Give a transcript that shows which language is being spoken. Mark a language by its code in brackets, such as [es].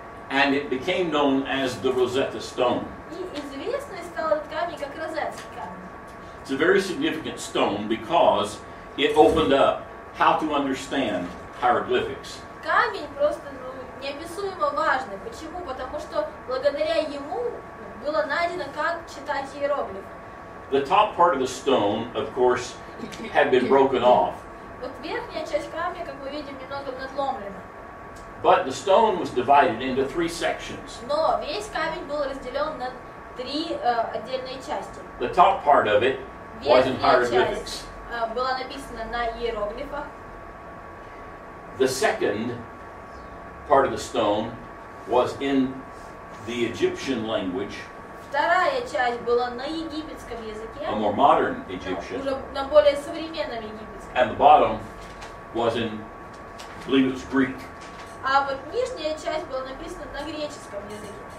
[en] And it became known as the Rosetta Stone. It's a very significant stone because it opened up how to understand hieroglyphics. [ru] Камень просто неописуемо важный. Почему? Потому что благодаря ему было найдено, как читать иероглифы. [en] The top part of the stone, of course, had been broken off. [ru] Вот верхняя часть камня, как мы видим, немного надломлена. [en] But the stone was divided into three sections. [ru] Но весь камень был разделен на три отдельные части. [en] The top part of it was in hieroglyphics. [ru] Верхняя часть была написана на иероглифах. [en] The second part of the stone was in the Egyptian language. [ru] Вторая часть была на египетском языке. [en] A more modern Egyptian. [ru] Уже на более современном египетском. [en] And the bottom was in, I believe it was Greek. [ru] А вот нижняя часть была написана на греческом языке.